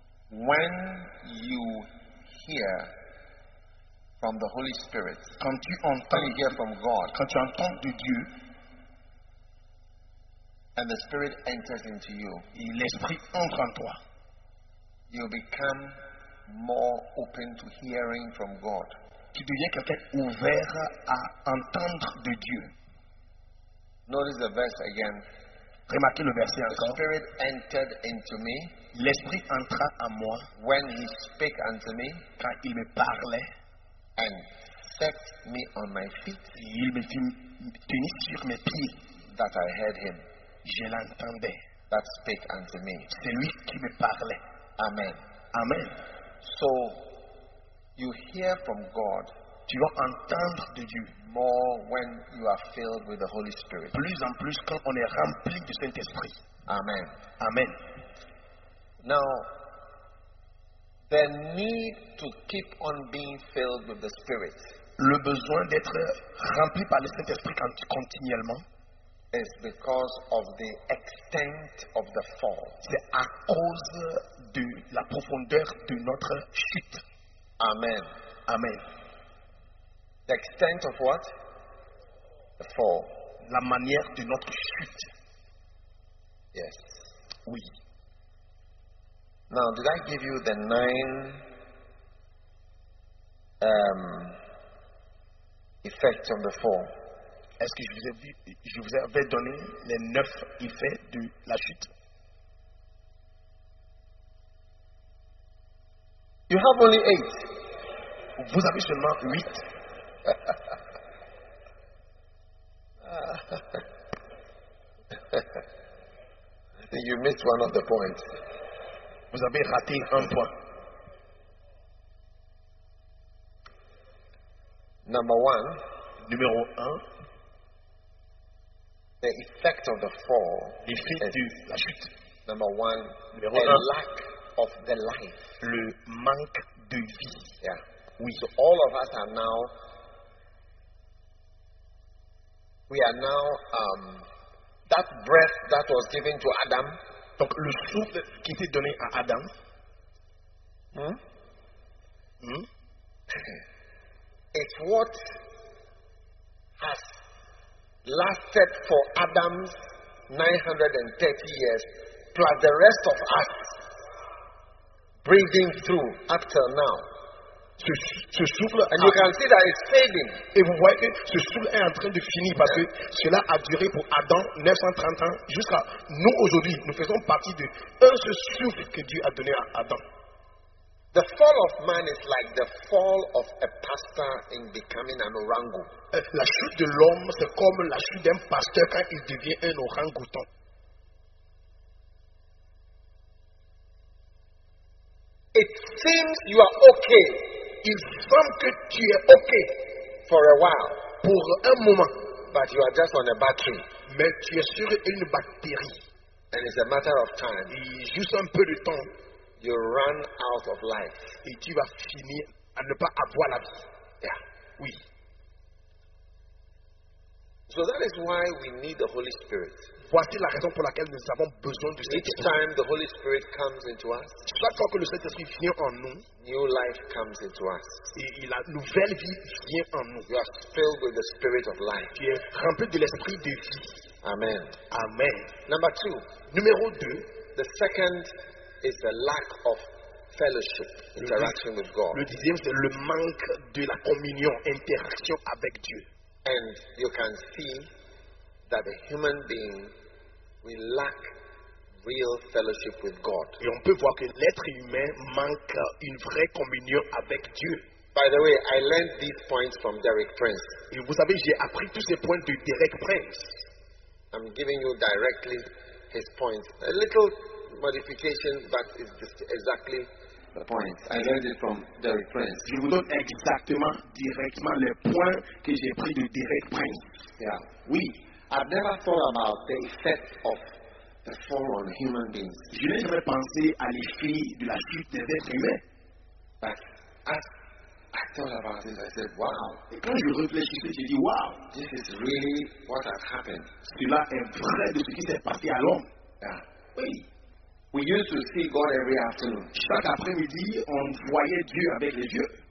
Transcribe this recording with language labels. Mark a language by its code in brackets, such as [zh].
[en] when you hear from the Holy Spirit, [fr] quand tu entends, [en] when you hear from God, [fr] quand tu entends de Dieu, [en] and the Spirit enters into you, [fr] et l'Esprit entre en toi, [en] you become more open to hearing from God. [fr] Tu deviens quelqu'un ouvert à entendre de Dieu. [en] Notice the verse again. [fr] Remarquez le verset encore. [en] The Spirit entered into me. [fr] L'Esprit entra en moi. [en] When he spake unto me. [fr] Quand il me parlait. [en] And set me on my feet. [fr] Il me fit tenir sur mes pieds. [en] That I heard him. [fr] Je l'entendais. [en] That spake unto me. [fr] C'est lui qui me parlait. [en] Amen. [fr] Amen. [en] So, you hear from God. [fr] Tu vas entendre de Dieu. [en] More when you are filled with the Holy Spirit. [fr] Plus en plus quand on est rempli du Saint-Esprit. [en] Amen. [fr] Amen. [en] Now, the need to keep on being filled with the Spirit. [fr] Le besoin d'être rempli par le Saint-Esprit continuellement. [en] Is because of the extent of the fall. [fr] C'est à cause de la profondeur de notre chute. [en] Amen. [fr] Amen. [en] The extent of what? The fall. [fr] La manière de notre chute. [en] Yes. [fr] Oui. [en] Now, did I give you the nine effects of the fall? [fr] Est-ce que je vous avais donné les neuf effets de la chute? [en] You have only eight. [fr] Vous avez seulement huit. [en] You missed one of the points. [fr] Vous avez raté un point. [en] Number one. [fr] Numéro un. [en] The effect of the fall. [fr] L'effet de la chute. [en] Number one. [fr] Numéro [en] the [fr] un. [en] Lack of the life. [fr] Le manque de vie. [en] Yeah. [fr] Oui. [en] So all of us are now, we are now, that breath that was given to Adam. [fr] Donc le souffle qui était donné à Adam. [en] It's what has lasted for Adam's 930 years plus the rest of us breathing through up till now. [fr] Ce souffle, [en] and you can see that it's fading. [fr] Et vous voyez que ce souffle est en train de finir parce que cela a duré pour Adam 930 ans jusqu'à nous aujourd'hui. Nous faisons partie de un seul souffle que Dieu a donné à Adam. [en] The fall of man is like the fall of a pastor in becoming an orangu. [fr] La chute de l'homme, c'est comme la chute d'un pasteur quand il devient un orangoutan. [en] It seems you are okay. [fr] Il semble que tu es ok [en] for a while, [fr] pour un moment, [en] but you are just on a battery. [fr] Mais tu es sur une batterie. [en] And it's a matter of time. [fr] Et juste un peu de temps, [en] You run out of life. [fr] Et tu vas finir à ne pas avoir la vie. [en] Yeah. [fr] Oui. [en] So that is why we need the Holy Spirit. [fr] Voici la raison pour laquelle nous avons besoin du Saint-Esprit. [en] Each time the Holy Spirit comes into us, [fr] chaque fois que le Saint-Esprit vient en nous, [en] new life comes into us. [fr] Et la nouvelle vie vient en nous. [en] You are filled with the Spirit of life. [fr] Tu es rempli de l'Esprit de vie. [en] Amen. [fr] Amen. [en] Number two. [fr] Numéro deux. [en] The second is the lack of fellowship, interaction with God. [fr] Le deuxième, c'est le manque de la communion, interaction avec Dieu. [en] And you can see that a human being, we lack real fellowship with God. [fr] Et on peut voir que l'être humain manque une vraie communion avec Dieu. [en] By the way, I learned these points from Derek Prince. [fr] Et vous savez, j'ai appris tous ces points de Derek Prince. [en] I'm giving you directly his points. A little modification, but it's just exactly the point. I learned it from Derek Prince. [fr] Je vous donne exactement, directement les points que j'ai pris de Derek Prince. [en] Yeah. [fr] Oui. [en] I've never thought about the effect of the fall on human beings. [fr] Je n'ai jamais pensé à l'effet de la chute des êtres humains. [en] But as I thought about it, I said, wow. [fr] Et quand je réfléchissais, j'ai dit, wow. [en] This is really what has happened. [fr] Cela est vrai de ce qui s'est passé à l'homme. [en] Yeah. [fr] Oui. [en] We used to see God every afternoon. [fr] Chaque après-midi, on voyait Dieu avec les yeux.